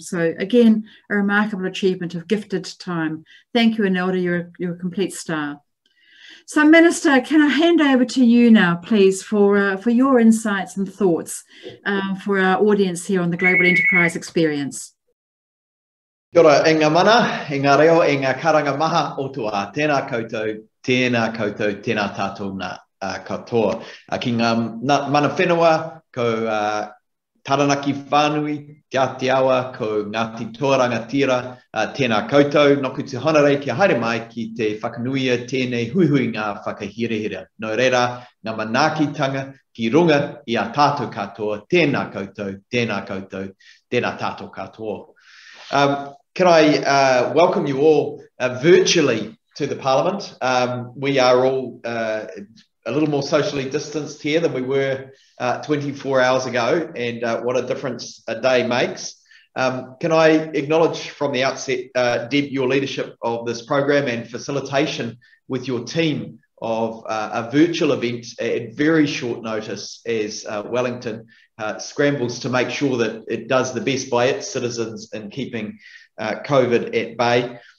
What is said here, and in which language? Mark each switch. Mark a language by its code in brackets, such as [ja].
[en] So again, a remarkable achievement of gifted time. Thank you, Anelda, you're a complete star. So Minister, can I hand over to you now, please, for your insights and thoughts for our audience here on the Global Enterprise Experience. [mi] Kia ora, e ngā mana, e ngā reo, e ngā karanga maha o tua, tēnā koutou, tēnā tātou nā katoa. Ki ngā mana whenua, kou Taranaki whānui, Te Atiawa, kou Ngāti Tōranga Tira, tēnā koutou, noku te honorei kia haere mai ki te whakanuia tēnei huihui ngā whakahirehira. Nō reira, ngā manaakitanga ki runga i a tātou katoa, tēnā koutou, tēnā koutou, tēnā tātou katoa. [en] Can I welcome you all virtually to the Parliament? We are all a little more socially distanced here than we were 24 hours ago, and what a difference a day makes. Can I acknowledge from the outset, Deb, your leadership of this program and facilitation with your team of a virtual event at very short notice as Wellington scrambles to make sure that it does the best by its citizens in keeping COVID at bay.